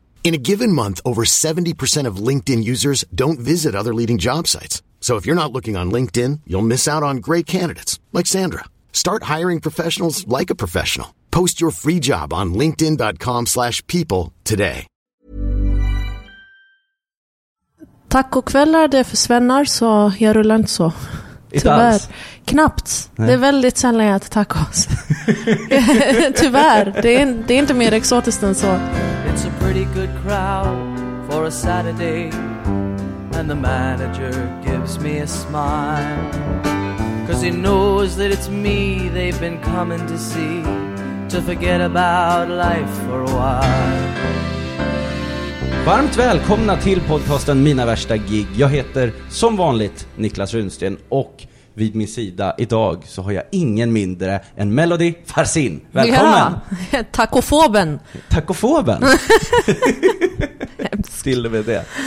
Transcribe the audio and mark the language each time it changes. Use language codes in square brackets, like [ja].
[en] In a given month, over 70% of LinkedIn users don't visit other leading job sites. So if you're not looking on LinkedIn, you'll miss out on great candidates, like Sandra. Start hiring professionals like a professional. Post your free job on linkedin.com/people today. [sv] Tacokvällar, det är för svennar, så jag rullar inte så. Tyvärr. Knappt. Nej. Det är väldigt sällan jag äter tacos. Tyvärr. Det är inte mer exotiskt än så. [en] It's a pretty good crowd for a Saturday, and the manager gives me a smile, 'cause he knows that it's me they've been coming to see, to forget about life for a while. [sv] Varmt välkomna till podcasten Mina värsta gig. Jag heter som vanligt Niklas Runsten, och vid min sida idag så har jag ingen mindre än Melody Farsin. Välkommen! Ja, tacofoben! Tacofoben! Still med det.